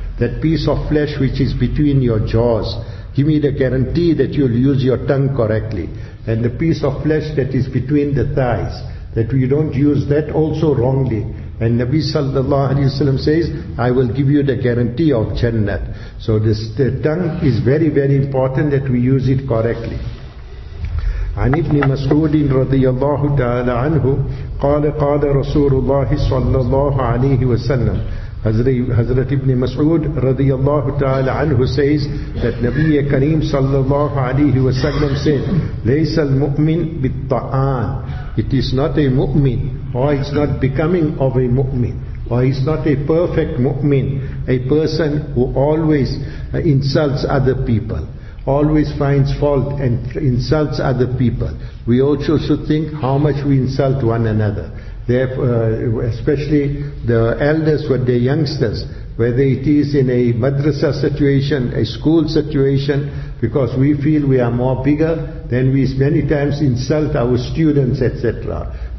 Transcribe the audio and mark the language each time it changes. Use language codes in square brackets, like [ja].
[en] That piece of flesh which is between your jaws, give me the guarantee that you'll use your tongue correctly. And the piece of flesh that is between the thighs, that you don't use that also wrongly." And Nabi sallallahu alaihi wasallam says, "I will give you the guarantee of Jannah." So the tongue is very, very important that we use it correctly. [ar] عن ابن مسعود رضي الله تعالى عنه قال قال رسول الله صلى الله عليه وسلم. Hazrat ibn Mas'ud رضي الله تعالى عنه [en] says that [ar] نبي كريم صلى الله عليه وسلم [en] said, [ar] "ليس المؤمن بالطعان." [en] It is not a mu'min, or it's not becoming of a mu'min, or he's not a perfect mu'min, a person who always insults other people, always finds fault and insults other people. We also should think how much we insult one another. Therefore, especially the elders with the youngsters, whether it is in a madrasa situation, a school situation, because we feel we are more bigger, then we many times insult our students, etc.